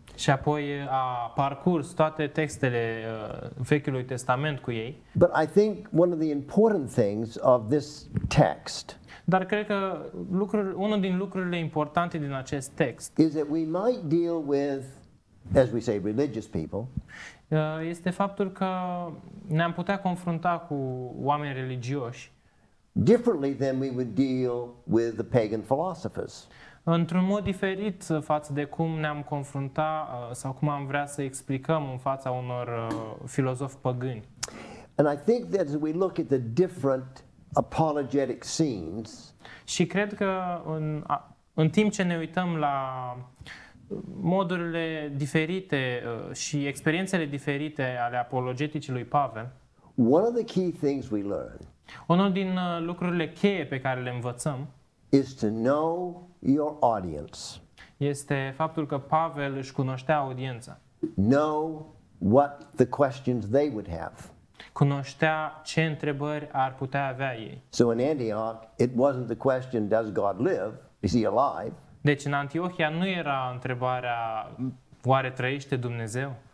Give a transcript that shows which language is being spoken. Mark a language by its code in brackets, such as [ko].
[ro] Și apoi a parcurs toate textele Vechiului Testament cu ei. [en] But I think one of the important things of this text. [ro] Dar cred că unul din lucrurile importante din acest text [en] is that we might deal with, as we say, religious people. [ro] Este faptul că ne-am putea confrunta cu oameni religioși [en] differently than we would deal with the pagan philosophers. [ro] Într-un mod diferit față de cum ne-am confrunta sau cum am vrea să explicăm în fața unor filozofi păgâni. [en] And I think that as we look at the different apologetic scenes. [ro] Și cred că în timp ce ne uităm la modurile diferite și experiențele diferite ale apologeticii lui Pavel. [en] One of the key things we learn. [ro] Unul din lucrurile cheie pe care le învățăm [en] is to know your audience. [ro] Este faptul că Pavel își cunoștea audiența. [en] Know what the questions they would have. [ro] Cunoștea ce întrebări ar putea avea ei. [en] So in Antioch, it wasn't the question, does God live? Is he alive? [ro] Deci în Antiohia nu era întrebarea, oare trăiește Dumnezeu?